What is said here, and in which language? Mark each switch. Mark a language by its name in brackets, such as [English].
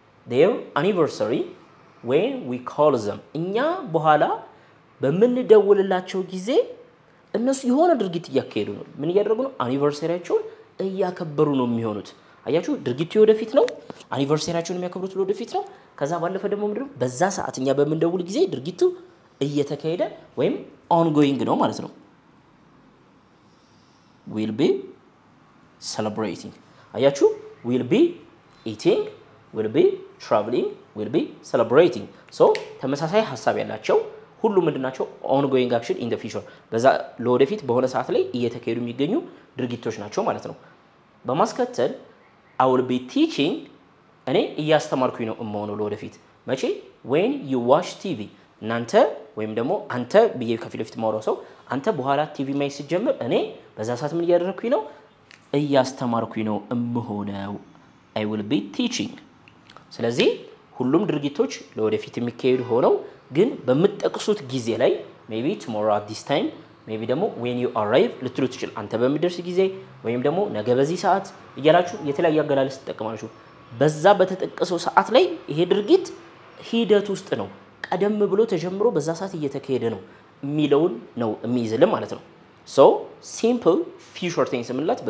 [English] their anniversary when we call them. [Amharic] እኛ በኋላ በምንደውልላቸው ጊዜ እነሱ የሆነ ድርጊት ያከሄዱ ነው። ምን ያደርጉ ነው? አኒቨርሰሪያቸውን እያከበሩ ነው የሚሆኑት። አያችሁ ድርጊቱ ወደፊት ነው፣ አኒቨርሰሪያቸውን የሚያከብሩት ወደፊት ነው። ከዛ ባለፈ ደግሞ ምንድነው? በዛ ሰዓት እኛ በምንደውል ጊዜ ድርጊቱ እየተካሄደ ወይም ኦንጎይንግ ነው ማለት ነው። [English] will be celebrating. አያችሁ will be eating, will be traveling, will be celebrating. So [Amharic] ተመሳሳይ ሐሳብ ያላቸው ሁሉ ምንድናቸው? [English] ongoing action in the future. [Amharic] በዛ ለወደፊት በሆነ ሰዓት ላይ እየተካሄዱ የሚገኙ ድርጊቶች ናቸው ማለት ነው። በማስከተል [English] I will be teaching, [Amharic] እኔ እያስተማርኩኝ ነው የምሆነው ለወደፊት። መቼ? [English] when you watch TV. [Amharic] እናንተ ወይም ደግሞ አንተ ብዬ ከፊት ለፊት ማውራው ሰው አንተ በኋላ ቲቪ ማይ ሲጀምር እኔ በዛ ሰዓት ምን እያደረኩኝ ነው? እያስተማርኩኝ ነው የምሆነው። [English] I will be teaching. [Amharic] ስለዚህ ሁሉም ድርጊቶች ለወደፊት የሚካሄዱ ሆነው ግን በምትጠቅሱት ጊዜ ላይ [English] maybe tomorrow at this time, [Amharic] maybe ደግሞ when you arrive ልትሉ ትችል አንተ በሚደርስ ጊዜ ወይም ደግሞ ነገ በዚህ ሰዓት እያላችሁ የተለያየ አገላለጽ ትጠቀማላችሁ። በዛ በተጠቀሰው ሰዓት ላይ ይሄ ድርጊት ሂደት ውስጥ ነው፣ ቀደም ብሎ ተጀምሮ በዛ ሰዓት እየተካሄደ ነው የሚለውን ነው የሚይዝል ማለት ነው። so simple future tense ምንላት?